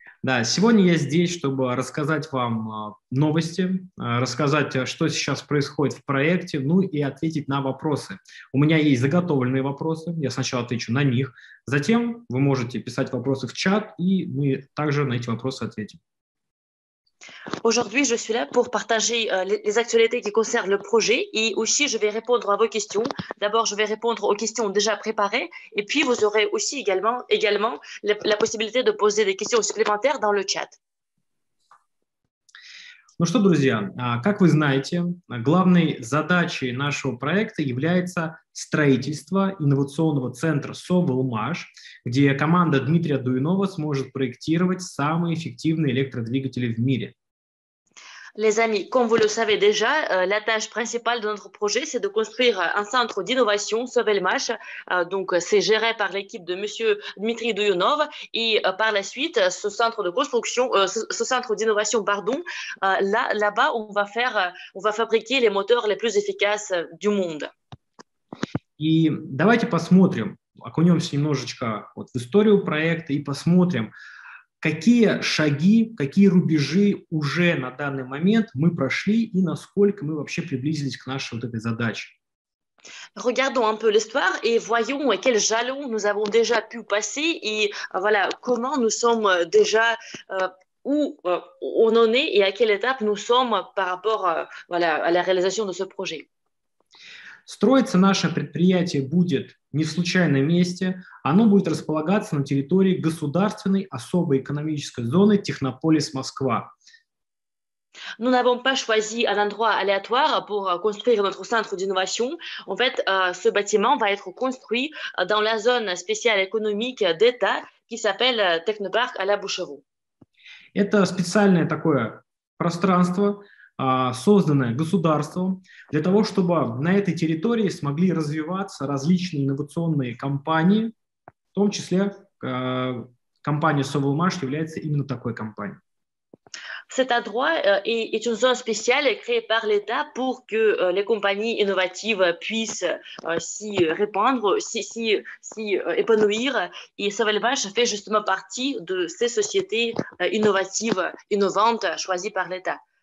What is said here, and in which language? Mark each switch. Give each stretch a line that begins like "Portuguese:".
Russian: Да, сегодня я здесь, чтобы рассказать вам новости, рассказать, что сейчас происходит в проекте, ну и ответить на вопросы. У меня есть заготовленные вопросы, я сначала отвечу на них, затем вы можете писать вопросы в чат, и мы также на эти вопросы ответим.
French: Aujourd'hui, je suis là pour partager les actualités qui concernent le projet et aussi je vais répondre à vos questions. D'abord, je vais répondre aux questions déjà préparées et puis vous aurez aussi également la possibilité de poser des questions supplémentaires dans le chat.
Russian: Ну что, друзья, как вы знаете, главной задачей нашего проекта является строительство инновационного центра «Совелмаш», где команда Дмитрия Дуйнова сможет проектировать самые эффективные электродвигатели в мире.
French: Les amis, comme vous le savez déjà, la tâche principale de notre projet, c'est de construire un centre d'innovation, Sovelmash. Donc, c'est géré par l'équipe de Monsieur Dmitri Douyonov. Et par la suite, ce centre de construction, ce centre d'innovation, pardon, là-bas, on va fabriquer les moteurs les plus efficaces du monde.
Russian: И давайте посмотрим, окунемся немножечко вот в историю проекта и посмотрим, какие шаги, какие рубежи уже на данный момент мы прошли и насколько мы вообще приблизились к нашей вот этой задаче.
French: Regardons un peu l'histoire et voyons quels jalons нous avons déjà pu passer et voilà comment nous sommes déjà où on en est et à quelle étape nous sommes par rapport voilà, à la réalisation de ce projet.
Russian: Строиться наше предприятие будет не в случайном месте, оно будет располагаться на территории государственной особой экономической зоны Технополис Москва.
French: Nous n'avons pas choisi un endroit aléatoire pour construire notre centre d'innovation. En fait, ce bâtiment va être construit dans la zone spéciale économique d'État qui s'appelle Technopark à La Boucherou.
Russian: Это специальное такое пространство, созданное государством для того, чтобы на этой территории смогли развиваться различные инновационные компании, в том числе компания Sovelmash является именно такой компанией.
French: Cet endroit est une zone spéciale créée par l'État pour que les compagnies innovatives puissent s'y répandre, s'y épanouir. Et Sovelmash fait justement partie de ces sociétés innovatives, innovantes, choisies par l'État.